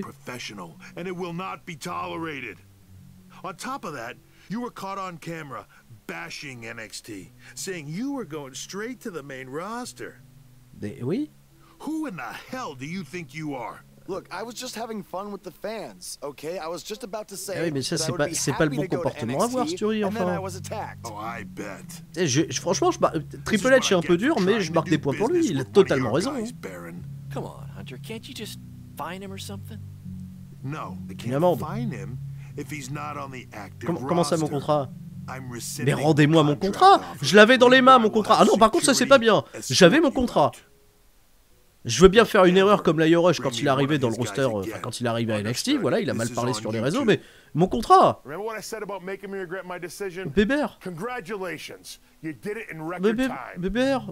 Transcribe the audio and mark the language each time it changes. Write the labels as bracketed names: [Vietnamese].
[English] Professional, and it will not be tolerated. On top of that, you were caught on camera bashing NXT, saying you were going straight to the main roster. [French] Oui? [English] Who in the hell do you think you are? Look, I was just having fun with the fans, okay? I was just about to say. [French] Oui, mais ça c'est pas le bon comportement à avoir, Sturi, enfin. [English] And then I was attacked. Oh, I bet. [French] Triple H est un peu dur, mais je marque des points pour lui. Il a totalement raison. [English] Come on, Hunter, can't you just fine him or something? No, I can't fine him. If he's not on the active roster, [French] comment ça, mon contrat? Mais rendez-moi mon contrat! Je l'avais dans les mains, mon contrat! Ah non, par contre, ça c'est pas bien! J'avais mon contrat! Je veux bien faire une erreur comme Lio Rush quand il est arrivé dans le roster, quand il est arrivé à NXT, voilà, il a mal parlé sur les réseaux, mais mon contrat! [English] Remember what I said about making me regret my decision? [French] Bébert! [English] Congratulations! You did it in record time!